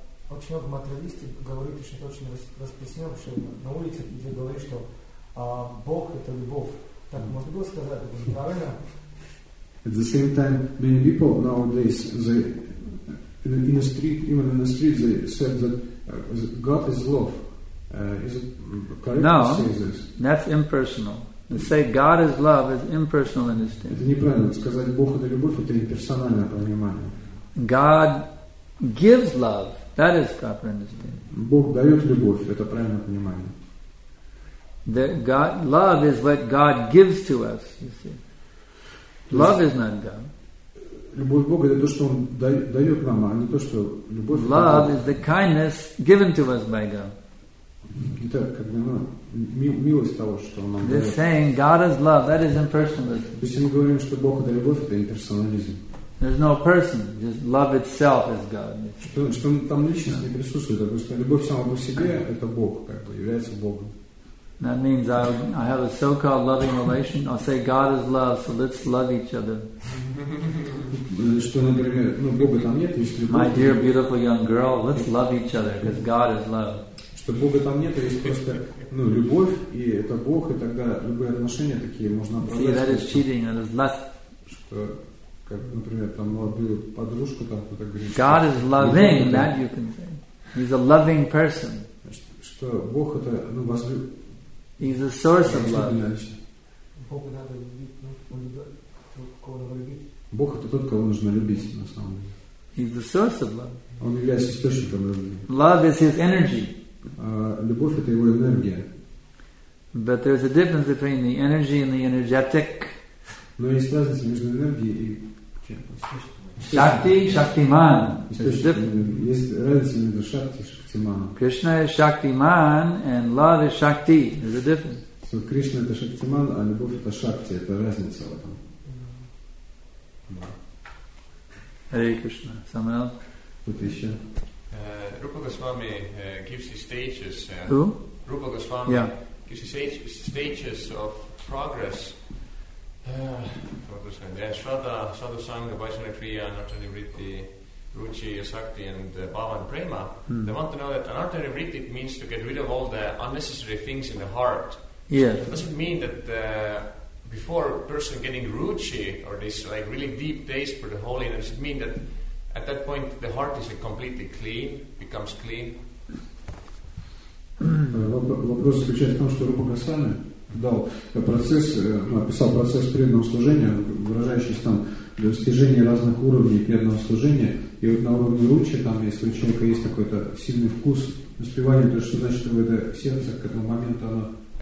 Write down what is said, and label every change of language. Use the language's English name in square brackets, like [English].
[Russian] очень много материалистов говорит еще точно распространено, что на улице, где говорит, что Бог это любовь. Так можно было сказать, это неправильно. [English] At the same time, many people nowadays in the street, even in the street, they said that God is love. Is it correct no, to say this? That's impersonal. To say God is love is impersonal in this thing. [Russian] Это неправильно сказать, Бог это любовь, это имперсональное понимание. [English] God gives love. That is proper understanding. [Russian] Бог дает любовь. Это правильное понимание. [English] That God, love is what God gives to us. You see, love is not God. [Russian] Любовь Бога это то, что Он дает нам, а не то, что любовь. [English] Love is the kindness given to us by God. [Russian] Это как бы милость того, что Он нам дает. [English] They're saying God is love. That is impersonalism. [Russian] Если мы говорим, что Бог это любовь, это имперсонализм. [English] There's no person, just love itself is God. [Russian] Что там личность не присутствует, а просто любовь сама по себе это Бог, как бы является Богом. [English] That means I have a so-called loving relation. I'll say God is love, so let's love each other. [Russian] Что, например, ну Бога там нет, если любовь. [English] My dear beautiful young girl, let's love each other, because God is love. [Russian] Что Бога там нет, а есть просто ну любовь и это Бог, и тогда любые отношения такие можно оправдать. [English] See, that is cheating, that is lust. [Russian] Что как, например, там молодую подружку там кто-то говорит. [English] God is loving, любовь, that you can say. He's a loving person. [Russian] Что Бог это, ну, возлю. [English] He's a source of love. [Russian] Бога надо любить. Бог это тот, кого нужно любить, на самом деле. [English] He's the source of love. [Russian] Он является источником любви. [English] Love is his energy. [Russian] Любовь это его энергия. [English] But there's a difference between the energy and the energetic. [Russian] Но есть разница между энергией и [English] Shakti, Shaktiman. [Russian] Есть разница между Шакти и Шактиманом. [English] Krishna is Shaktiman and love is Shakti. There's a difference. [Russian] So Krishna это Шактиман, а любовь это Шакти. Это разница в этом. [English] Hare Krishna. Someone else? [Russian] Вот еще. [English] Rupa Goswami gives his stages. Who? Rupa Goswami gives his stages of progress. Shraddha, Sadhu Sangha, Vaishnava Kriya, Anartani Vritti, Ruchi, Asakti, and Bhava and Prema. Hmm. They want to know that Anartani Vritti means to get rid of all the unnecessary things in the heart. Yes. Does it mean that before a person getting Ruchi, or this like really deep taste for the holy, does it mean that at that point the heart is like, completely clean, becomes clean? [Russian] Вопрос заключается в том, что Рупа Гасвами дал процесс, описал процесс преданного служения, выражающийся там для достижения разных уровней преданного служения. И вот на уровне ручи, там, если у человека есть какой-то сильный вкус успевания, то что значит, что в это сердце к этому моменту оно...